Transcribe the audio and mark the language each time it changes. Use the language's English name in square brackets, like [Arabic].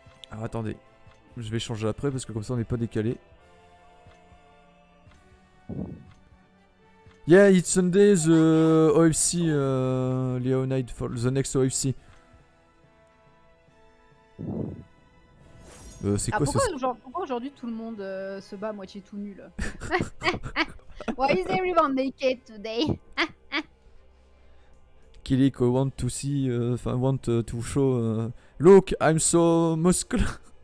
[French] Alors attendez, je vais changer après parce que comme ça on n'est pas décalé. [English] Yeah, it's Sunday, the OFC, Leonide for the next OFC. [French] C'est quoi ah, pourquoi, ce... genre, pourquoi aujourd'hui tout le monde se bat à moitié tout nul? [English] Why is everyone naked today? Kilik, I want to see, enfin, want to show. Look, I'm so muscular.